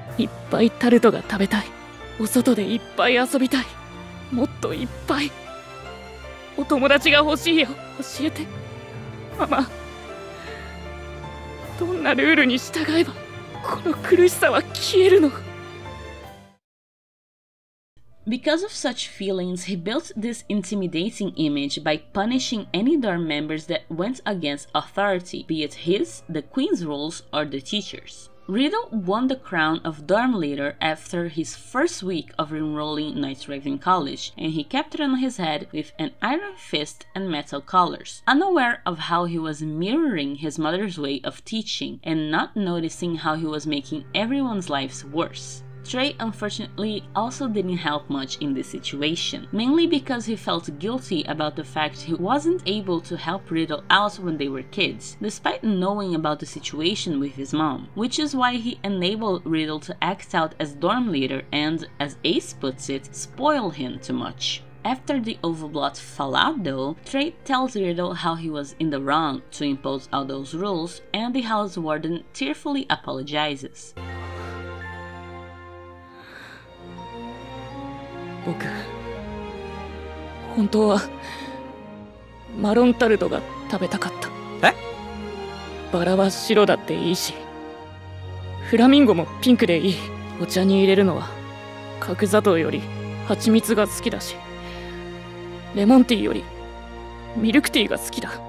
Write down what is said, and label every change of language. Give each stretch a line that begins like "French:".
Japanese: いっぱいタルトが食べたい。お外でいっぱい遊びたい。もっといっぱい。お友達が欲しいよ。教えて。ママ。どんなルールに従えば、この苦しさは消えるの？
English: Because of such feelings, he built this intimidating image by punishing any dorm members that went against authority, be it his, the queen's rules, or the teacher's. Riddle won the crown of dorm leader after his first week of enrolling Night Raven College, and he kept it on his head with an iron fist and metal collars. Unaware of how he was mirroring his mother's way of teaching, and not noticing how he was making everyone's lives worse. Trey, unfortunately, also didn't help much in this situation, mainly because he felt guilty about the fact he wasn't able to help Riddle out when they were kids, despite knowing about the situation with his mom, which is why he enabled Riddle to act out as dorm leader and, as Ace puts it, spoil him too much. After the overblot fallout though, Trey tells Riddle how he was in the wrong to impose all those rules, and the house warden tearfully apologizes.
Japanese: 僕、本当はマロンタルトが食べたかった。え？バラは白だっていいし、フラミンゴもピンクでいい。お茶に入れるのは角砂糖より蜂蜜が好きだし、レモンティーよりミルクティーが好きだ。